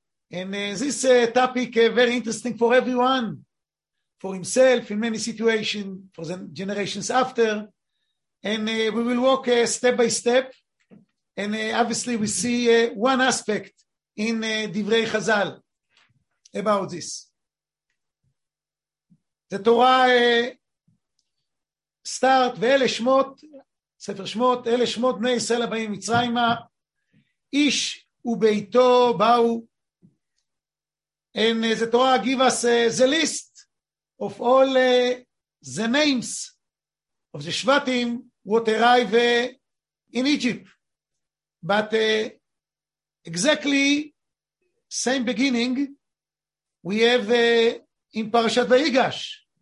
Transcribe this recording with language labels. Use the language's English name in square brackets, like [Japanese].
[English] And this topic is very interesting for everyone, for himself in many situations, for the generations after. And we will walk step by step. And obviously we see one aspect in Divrei Chazal about this. The Torah start, [Hebrew] ואלה שמות, ספר שמות, אלה שמות בני ישראל הבאים מצרימה, איש וביתו באו. [English] And the Torah give us the list of all the names of the Shvatim what arrive in Egypt. But exactly same beginning we have in Parashat Vayigash.